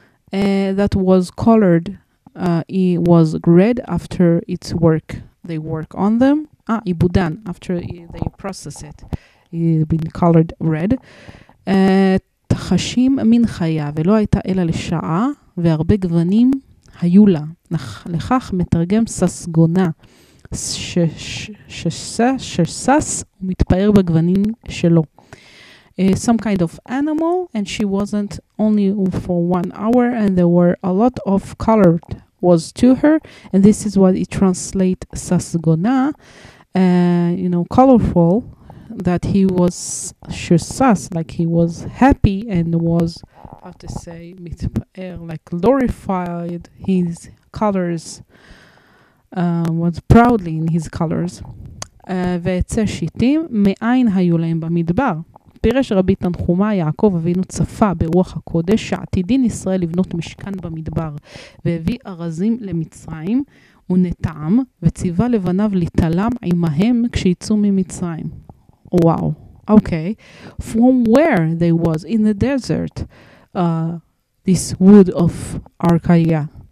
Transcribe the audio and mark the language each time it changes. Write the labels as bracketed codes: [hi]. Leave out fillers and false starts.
[en] That was colored, it was red after its work. They work on them. Ibudan, after they process it. It been colored red. [he] Tachashim min chaya, ולא הייתה אלא לשעה, והרבה גוונים היו לה. לכך מתרגם ססגונה, ששס ומתפאר בגוונים שלו. [en] Some kind of animal, and she wasn't only for 1 hour, and there were a lot of color was to her, and this is what it translates sasgona, you know, colorful, that he was shusas, like he was happy and was, how to say, mitpa'er, like glorified his colors, was proudly in his colors. [he] ועצי שיטים, מאין היו להם במדבר? פירש רבי תנחומה, יעקב אבינו צפה ברוח הקודש, שעתידין ישראל לבנות משכן במדבר, והביא ארזים למצרים, ונטעם, וציווה לבניו לתלם עמהם כשיצאו ממצרים. וואו. Okay. [en] From where they was in the desert, this wood of Arcadia.